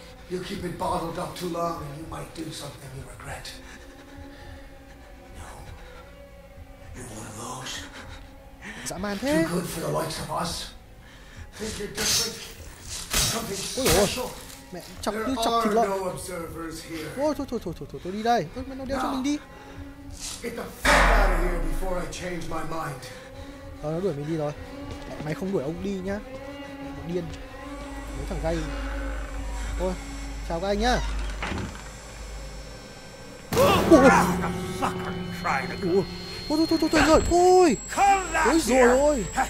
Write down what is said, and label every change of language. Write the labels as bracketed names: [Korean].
[English] You keep it bottled up too long and you might do something you regret. No. You're one of those. [Vietnamese] Dã man thế. [English] Too good for the likes of us. Think you're different. Something special. [Vietnamese] Mẹ chọc cứ chọc thịt lợn. Ôi thôi thôi thôi thôi thôi, tôi đi đây. Ôi, mẹ nó đeo cho mình đi. [English] Get the fuck out of here before I change my mind. [Vietnamese] Nó đuổi mình đi rồi. Mày không đuổi ông đi nhá. Điên. Mấy thằng gay. Thôi, chào các anh nhá. Thôi thôi thôi thôi thôi thôi thôi. Thôi rồi ôi.